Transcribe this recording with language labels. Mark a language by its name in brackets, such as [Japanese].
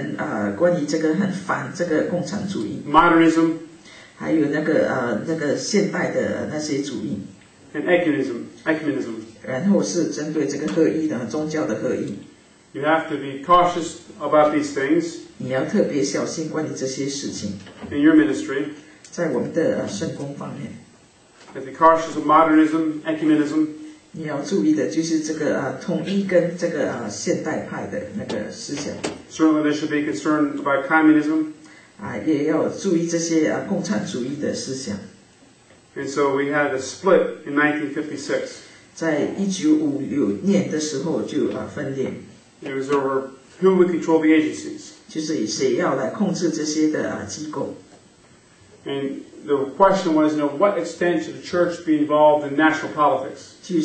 [Chinese] 他就是很针对他，因为他很关于这个很反这个共产主义。 [English] Modernism. [Chinese] 还有那个现代的那些主义。 [English] And ecumenism. [Chinese] 然后是针对这个合一的宗教的合一。 [English] You have to be cautious about these things. [Chinese] 你要特别小心关于这些事情。 [English] In your ministry. [Chinese] 在我们的圣工方面。 [English] And be cautious of modernism, ecumenism. [Chinese] 你要注意的就是这个统一跟这个现代派的那个思想。 [English] Certainly they should be concerned about communism. [Chinese] 也要注意这些共产主义的思想。 [English] And so we had a split in 1956. [Chinese] 在1956年的时候就分裂。 [English] It was over who would control the agencies. [Chinese] 就是谁要来控制这些的机构。 [English] And the question was, what extent should the church be involved in national politics?